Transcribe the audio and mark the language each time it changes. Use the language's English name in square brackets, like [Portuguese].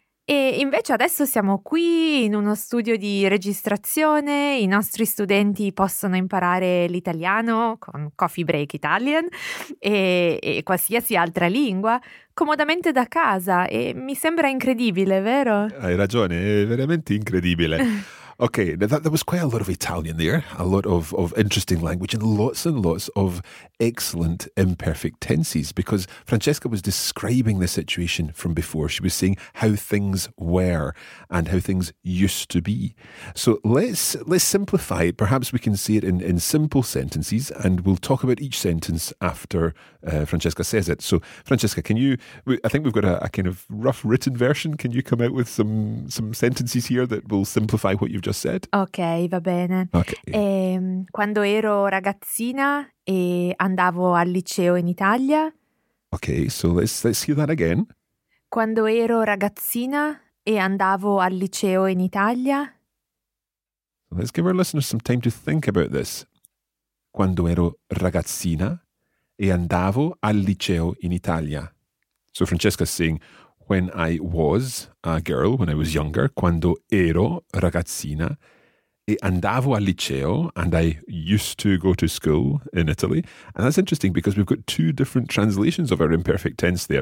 [Italian] E invece adesso siamo qui in uno studio di registrazione, i nostri studenti possono imparare l'italiano con Coffee Break Italian e qualsiasi altra lingua comodamente da casa e mi sembra incredibile, vero? Hai ragione, è veramente incredibile. [English] Okay, now that was quite a lot of Italian there, a lot of interesting language, and lots of excellent imperfect tenses. Because Francesca was describing the situation from before, she was saying how things were and how things used to be. So let's simplify it. Perhaps we can say it in simple sentences, and we'll talk about each sentence after Francesca says it. So Francesca, can you? I think we've got a kind of rough written version. Can you come out with some sentences here that will simplify what you've just said? [Italian] Ok, va bene. [English] Okay. [Italian] Quando ero ragazzina e andavo al liceo in Italia. [English] Okay, so let's hear that again. [Italian] Quando ero ragazzina e andavo al liceo in Italia. [English] Let's give our listeners some time to think about this. [Italian] Quando ero ragazzina e andavo al liceo in Italia. [English] So Francesca's saying, when I was a girl, when I was younger, [Italian] quando ero ragazzina e andavo al liceo, [English] and I used to go to school in Italy. And that's interesting because we've got two different translations of our imperfect tense there.